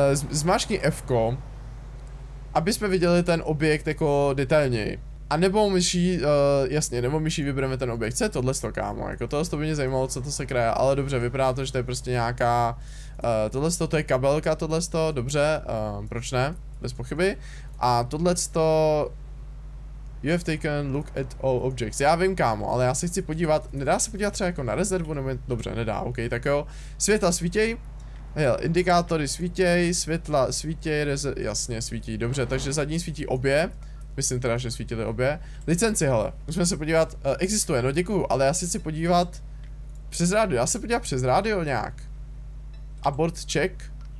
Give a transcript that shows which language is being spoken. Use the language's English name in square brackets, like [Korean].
[Czech] zmáčkni F-ko, aby jsme viděli ten objekt jako detailněji. A nebo myší, jasně, nebo myší vybereme ten objekt. Co je tohleto, kámo? Jako tohleto by mě zajímalo, co to se kraje, ale dobře, vypadá to, že to je prostě nějaká... tohleto, to je kabelka, tohleto, dobře, proč ne? Bez pochyby. A tohleto... [English] You have taken look at all objects. [Czech] Já vím, kámo, ale já se chci podívat, nedá se podívat třeba jako na rezervu, nebo... Dobře, nedá, ok, tak jo. Světla svítěj. Hele, indikátory svítěj, světla svítěj, jasně, svítí, dobře, takže zadní svítí obě. Myslím teda, že svítily obě. Licenci, hele, musíme se podívat, existuje, no děkuju, ale já se chci podívat přes rádio, já se podívat přes rádio nějak. Abort check.